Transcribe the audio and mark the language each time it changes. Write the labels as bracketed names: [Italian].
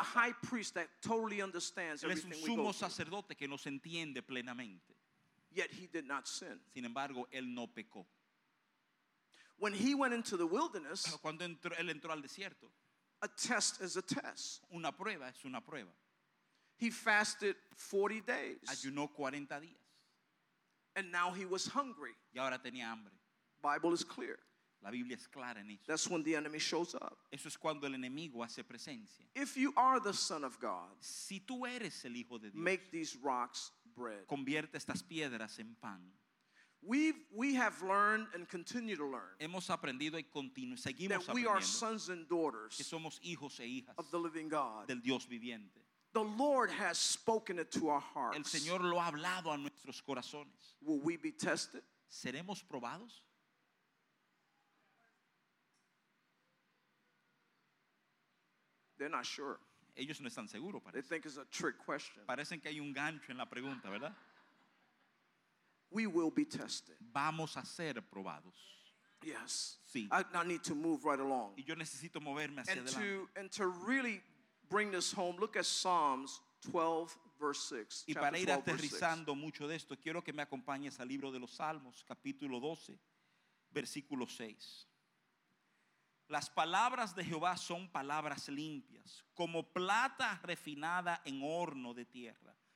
[English] A high priest that totally understands [Spanish] él [English] everything [Spanish] es un sumo [English] we go [Spanish] through. Sacerdote que nos entiende plenamente. [English] Yet he did not sin. [Spanish] Sin embargo, él no pecó. [English] When he went into the wilderness, [Spanish] pero cuando entró, él entró al desierto, [English] a test is a test. [Spanish] Una prueba es una prueba. [English] He fasted 40 days. [Spanish] Ayunó 40 días. [English] And now he was hungry. [Spanish] Y ahora tenía hambre. [English] Bible is clear. [Spanish] La Biblia es clara en eso. [English] That's when the enemy shows up. [Spanish] Eso es cuando el enemigo hace presencia. [English] If you are the son of God, [Spanish] si tú eres el hijo de Dios, [English] make these rocks bread. [Spanish] Convierte estas piedras en pan. [English] We have learned and continue to learn. [Spanish] Hemos aprendido y continuamos seguimos [English] That we are sons and daughters. [Spanish] Que somos hijos e hijas [English] of the living God. [Spanish] Del Dios viviente. [English] The Lord has spoken it to our hearts. [Spanish] El Señor lo ha hablado a nuestros corazones. [English] Will we be tested? [Spanish] ¿Seremos probados? [English] They're not sure. [Spanish] Ellos no están seguros, parece. [English] They think it's a trick question. [Spanish] Parecen que hay un gancho en la pregunta, ¿verdad? [English] We will be tested. [Spanish] Vamos a ser probados. [English] Yes. [Spanish] Sí. [English] I need to move right along. [Spanish] Y yo necesito moverme hacia adelante. [English] And to really bring this home. Look at Psalms 12, verse 6. [Spanish] Y para ir aterrizando mucho de esto, quiero que me acompañes al libro de los Salmos, capítulo 12, versículo 6. Las palabras de Jehová son palabras limpias, como plata refinada en horno de tierra.